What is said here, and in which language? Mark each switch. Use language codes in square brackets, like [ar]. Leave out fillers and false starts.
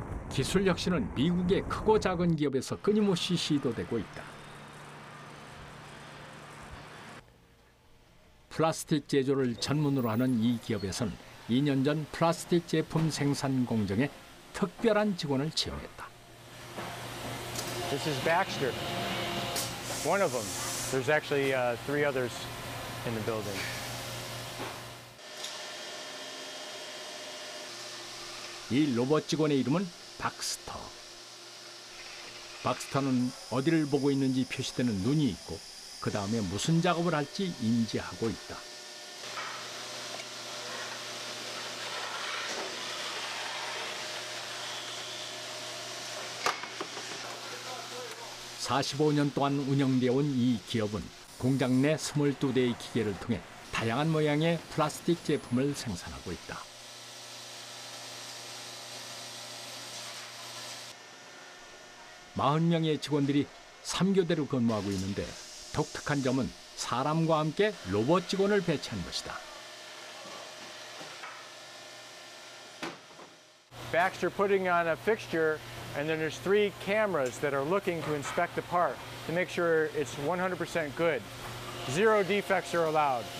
[ko] 기술 혁신은 미국의 크고 작은 기업에서 끊임없이 시도되고 있다. 플라스틱 제조를 전문으로 하는 이 기업에선 2년 전 플라스틱 제품 생산 공정에 특별한 직원을 채용했다. [en] This is Baxter. One of them. There's actually three others in the building. [ko] 이 로봇 직원의 이름은 박스터. 박스터는 어디를 보고 있는지 표시되는 눈이 있고, 그 다음에 무슨 작업을 할지 인지하고 있다. 45년 동안 운영되어 온 이 기업은 공장 내 22대의 기계를 통해 다양한 모양의 플라스틱 제품을 생산하고 있다. 40명의 직원들이 3교대로 근무하고 있는데, 독특한 점은 사람과 함께 로봇 직원을 배치한 것이다. [en] Baxter putting on a fixture, and then there's three cameras that are looking to inspect the part to make sure it's 100% good. Zero defects are allowed.